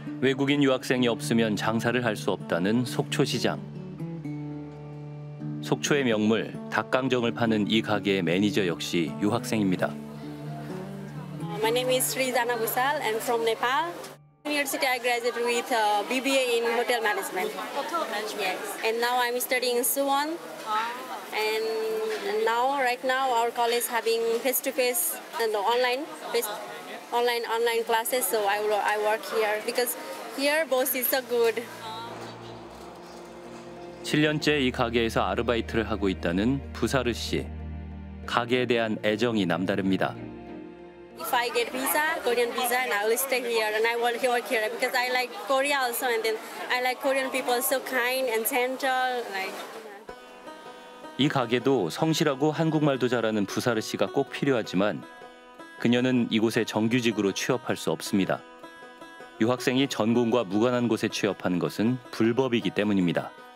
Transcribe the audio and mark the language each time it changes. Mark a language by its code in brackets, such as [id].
[ko] 외국인 유학생이 없으면 장사를 할 수 없다는 속초시장. 속초의 명물 닭강정을 파는 이 가게의 매니저 역시 유학생입니다. [en] My name is Sri Dana Busal. I'm from Nepal. University I graduated with BBA in hotel management. Hotel management. Yes. And now I'm studying in Suwon. And now, right now, our college having face-to-face and online classes. So I work here because here boss is so good. [ko] 7년째 이 가게에서 아르바이트를 하고 있다는 부사르 씨. 가게에 대한 애정이 남다릅니다. [en] If I get visa, Korean visa, and I will stay here and I want to work here because I like Korea also and then I like Korean people so kind and gentle. Like. [ko] 이 가게도 성실하고 한국말도 잘하는 부사르 씨가 꼭 필요하지만 그녀는 이곳에 정규직으로 취업할 수 없습니다. 유학생이 전공과 무관한 곳에 취업하는 것은 불법이기 때문입니다.